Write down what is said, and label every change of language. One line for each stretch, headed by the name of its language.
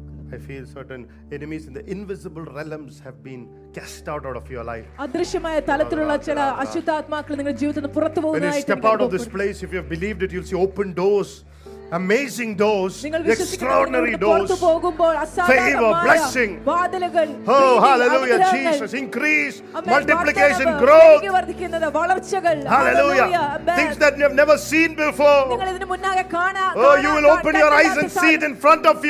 English: I feel certain enemies in the invisible realms have been cast out of your life.
Malayalam: അദൃശ്യമായ തലത്തിലുള്ള ചില അശുദ്ധാത്മാക്കൾ നിങ്ങളുടെ ജീവിതത്തിൽ നിന്ന് പുറത്തു പോകുന്നതായിട്ട് കാണുന്നു.
English: When you step out of this place, if you have believed it, you'll see open doors. Amazing doors, extraordinary doors, favor, blessing. Oh, hallelujah, Jesus, increase, multiplication, growth. Hallelujah, things that you have never seen before. Oh, you will open your eyes and see it in front of you.